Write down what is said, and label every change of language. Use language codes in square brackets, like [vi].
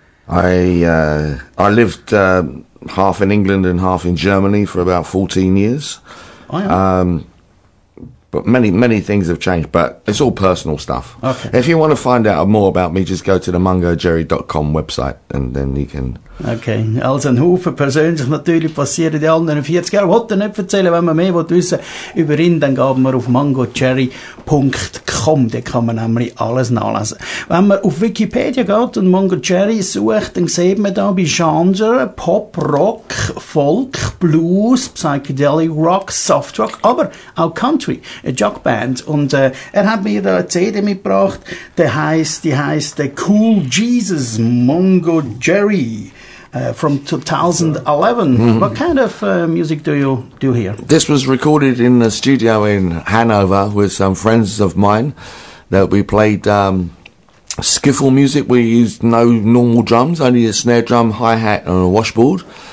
[en] I lived half in England and half in Germany for about 14 years. Oh, yeah. But many, many things have changed, but it's all personal stuff. Okay. If you want to find out more about me, just go to the mungojerry.com website and then you can... [de] Okay, also ein Haufen persönlich natürlich passiert in den anderen 40 Jahren. Wollte ich nicht erzählen, wenn man mehr will wissen über ihn, dann geht man auf mungojerry.com, da kann man nämlich alles nachlesen. Wenn man auf Wikipedia geht und Mungo Jerry sucht, dann sieht man da bei Genre Pop, Rock, Folk, Blues, Psychedelic, Rock, Soft Rock, aber auch Country, eine Jugband. Und er hat mir da eine CD mitgebracht, die heisst Cool Jesus Mungo Jerry. [en] From 2011. Mm-hmm. What kind of music do you do here? This was recorded in a studio in Hanover with some friends of mine. That we played skiffle music. We used no normal drums, only a snare drum, hi-hat and a washboard.